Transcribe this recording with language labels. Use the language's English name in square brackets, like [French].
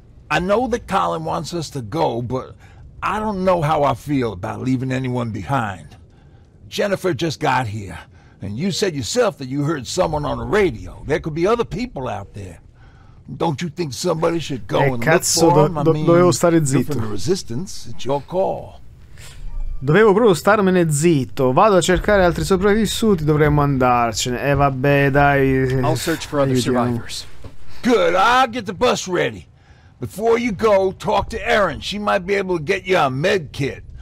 [English] I know that Colin wants us to go, but I don't know how I feel about leaving anyone behind. Jennifer just got here, and you said yourself that you heard someone on the radio. There could be other people out there. Don't you think somebody should go and [Italian] cazzo, [English] look for him? [Italian] Dovevo stare zitto. [English] You're from the Resistance. It's your call. [Italian] Dovevo proprio starmene zitto. Vado a cercare altri sopravvissuti. Dovremmo andarcene. E vabbè, dai. [English] I'll search for other survivors. Good, I'll get the bus ready. Before you go, talk to Erin. She might be able to get you a med kit.